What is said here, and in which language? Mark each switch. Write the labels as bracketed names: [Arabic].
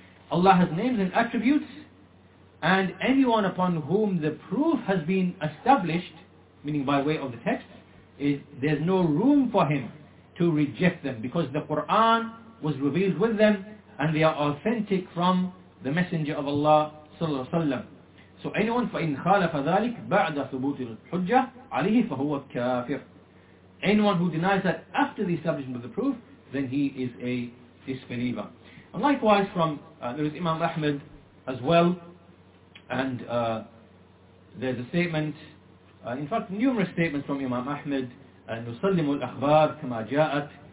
[English] Allah has names and attributes, and anyone upon whom the proof has been established, meaning by way of the text, there's no room for him to reject them, because the Qur'an was revealed with them, and they are authentic from the Messenger of Allah, صلى الله عليه وسلم. So anyone [Arabic] فإن خالف ذلك بعد ثبوت الحجة عليه فهو كافر. [English] Anyone who denies that after the establishment of the proof, then he is a disbeliever. And likewise from there is Imam Ahmed as well, and there's a statement, in fact numerous statements from Imam Ahmed, [Arabic] نُسَلِّمُ الْأَخْبَارِ كَمَا جَاءَتْ.